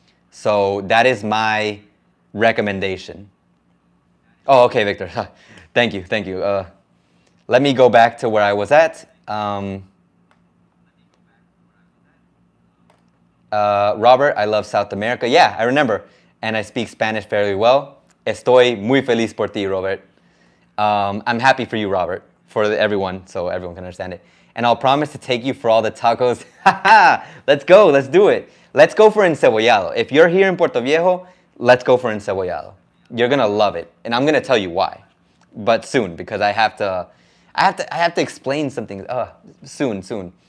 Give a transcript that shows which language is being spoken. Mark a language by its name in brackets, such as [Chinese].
[English] So that is my recommendation. Oh, okay, Victor. Thank you, thank you. Let me go back to where I was at. Robert, I love South America. Yeah, I remember. And I speak Spanish fairly well. [Spanish] Estoy muy feliz por ti, Robert. [English] I'm happy for you, Robert, for everyone, so everyone can understand it. And I'll promise to take you for all the tacos. Let's go, let's do it. Let's go for encebollado. If you're here in Puerto Viejo, let's go for encebollado. You're gonna love it. And I'm gonna tell you why. But soon, because I have to explain something. Soon.